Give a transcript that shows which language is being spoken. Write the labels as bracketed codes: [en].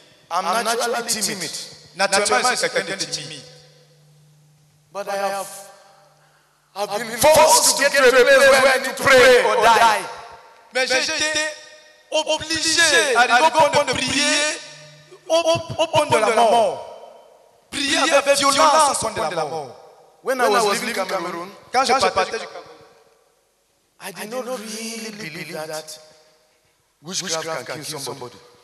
[en] I'm naturally timid, but I've been forced to get to a place where I need to pray or die. [fr] Mais j'étais obligé à prier au point de la mort. Prier avec violence au point de la mort. [en] When I was living in Cameroon, I did not really believe that witchcraft can kill somebody.